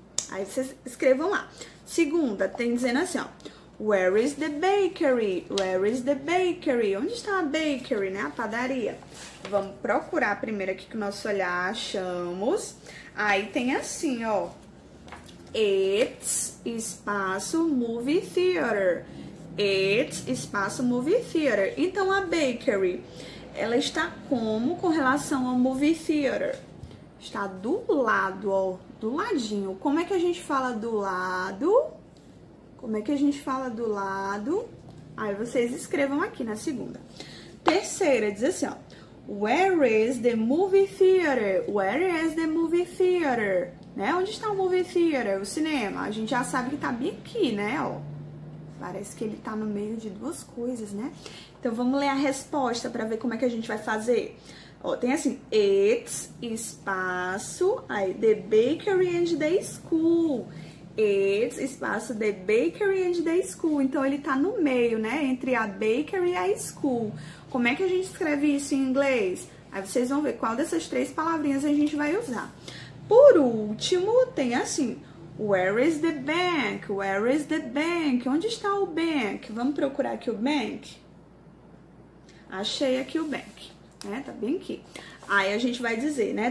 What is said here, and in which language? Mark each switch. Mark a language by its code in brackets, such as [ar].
[pt] Aí vocês escrevam lá. Segunda, tem dizendo assim, ó. [en] Where is the bakery? Where is the bakery? [pt] Onde está a bakery, né? A padaria. Vamos procurar primeiro aqui com o nosso olhar, achamos. Aí tem assim, ó. [en] It's espaço movie theater. It's espaço movie theater. [pt] Então, a bakery, ela está como com relação ao movie theater? Está do lado, ó. Do ladinho. Como é que a gente fala do lado? Como é que a gente fala do lado? Aí vocês escrevam aqui na segunda. Terceira, diz assim, ó. [en] Where is the movie theater? Where is the movie theater? [pt] Né? Onde está o movie theater? O cinema? A gente já sabe que tá bem aqui, né? Ó, parece que ele tá no meio de duas coisas, né? Então vamos ler a resposta para ver como é que a gente vai fazer. Ó, tem assim, it's espaço, aí [en] the bakery and the school. It's [pt] espaço [en] the bakery and the school. [pt] Então ele tá no meio, né? Entre a bakery e a school. Como é que a gente escreve isso em inglês? Aí vocês vão ver qual dessas três palavrinhas a gente vai usar. Por último, tem assim, [en] where is the bank? Where is the bank? [pt] Onde está o bank? Vamos procurar aqui o bank? Achei aqui o bank, né? Tá bem aqui. Aí a gente vai dizer, né?